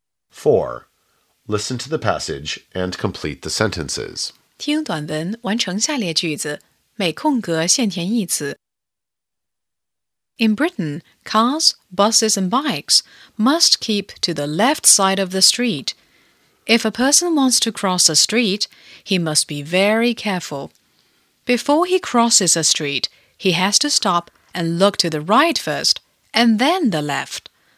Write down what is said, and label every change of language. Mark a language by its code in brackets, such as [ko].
[en] Four. Listen to the passage and complete the sentences. [zh] 听短文，完成下列句子，每空格限填一词。 [en] In Britain, cars, buses and bikes must keep to the left side of the street. If a person wants to cross a street, he must be very careful. Before he crosses a street, he has to stop and look to the right first, and then the left.